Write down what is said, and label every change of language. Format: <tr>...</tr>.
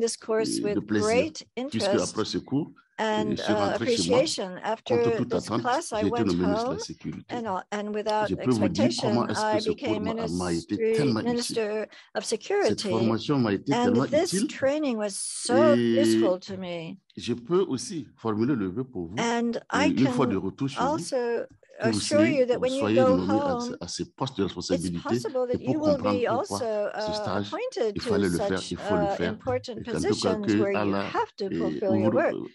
<en>this course with great interest and appreciation. After this class, I went home, and without expectation, I became Minister of Security. And this training was so useful to me.</en> <fr>Je peux aussi formuler le vœu pour vous,</fr> <en>and I can also assure you that when you go home, it's possible that you will be also appointed to such important positions where you have to fulfill your work.</en>